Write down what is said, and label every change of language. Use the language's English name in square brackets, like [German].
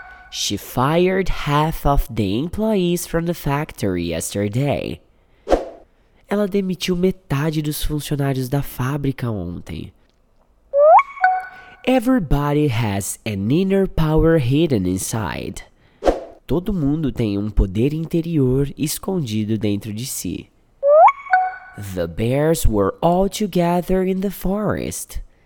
[English] She fired half of the employees from the factory yesterday. [Portuguese] Ela demitiu metade dos funcionários da fábrica ontem. [English] Everybody has an inner power hidden inside. [Portuguese] Todo mundo tem um poder interior escondido dentro de si. [English] The bears were all together in the forest.